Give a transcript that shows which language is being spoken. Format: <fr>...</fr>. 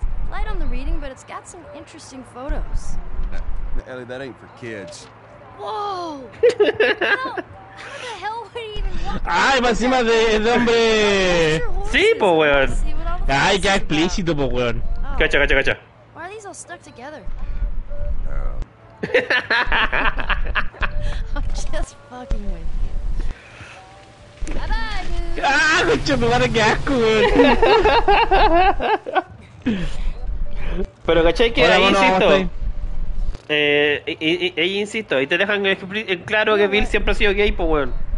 <en>Light on the reading, but it's got some interesting photos. Ellie, that ain't for kids. Whoa! How the hell would he even want?</en> <es>Ay, más encima de hombre. Sí, po weón. Ay, qué explícito, po weón. Cacha.</es> <en>Why are these all stuck together? I'm just fucking with you.</en> <es>¡Ah, coche, me van a quedar, weón! Pero cachai que ahí insisto. Ahí insisto, ahí te dejan en claro que Bill siempre ha sido gay, po, weón.</es>